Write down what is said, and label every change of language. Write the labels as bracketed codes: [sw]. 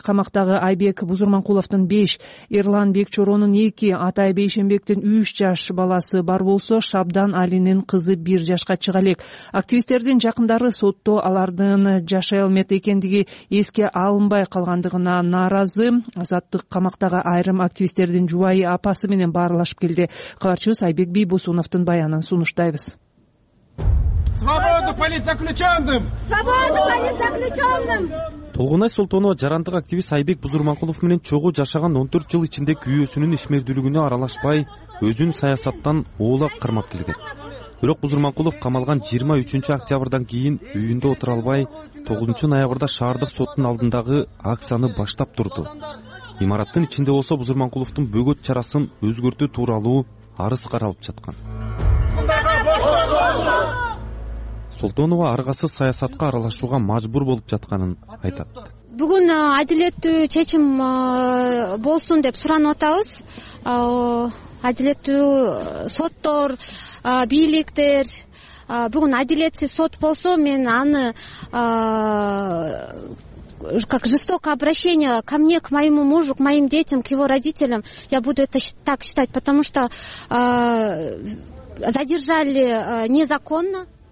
[ky] Камактагы Айбек Бузурманкуловдун 5, Ирлан Бекчоронун 2, Атай Бейшенбектин 3 жаш баласы бар болсо, Шабдан Алинин кызы 1 жашка чыга элек. Активисттердин жакындары сотто алардын жашай алмайт экендиги эске алынбай калгандыгына нааразы. Азаттык камактагы айрым активисттердин жубайы апасы менен баарлашып келди. Кабарчыбыз Айбек Бийбосуновдун баянын сунуштайбыз. [ru] Свободу политзаключенным! Свободу политзаключенным! [ky] Тогунай Султонова жарандык активист Айбек Бузурманкулов менен чогуу жашаган 14 жыл ичинде күйөөсүнүн ишмердүүлүгүнө аралашпай өзүн саясаттан оолак кармап келген. Бирок Бузурманкулов камалган 23 октябрдан кийин үйүндө отура албай 9 ноябрда шаардык соттун алдындагы акцияны баштап турду. Имараттын ичинде болсо Бузурманкуловдун бөгөт чарасын өзгөртүү тууралуу арыз каралып жаткан. Султонова аргасыз саясатка аралашууга мажбур болуп жатканын айтат. Бүгүн адилеттүү чечим болсун деп суранып атабыз. Адилеттүү соттор, бийликтер, бүгүн адилетсиз сот болсо, мен аны [ru] как жестокое обращение ко мне, к моему мужу, к моим детям, к его родителям, я буду это так считать, потому что задержали незаконно.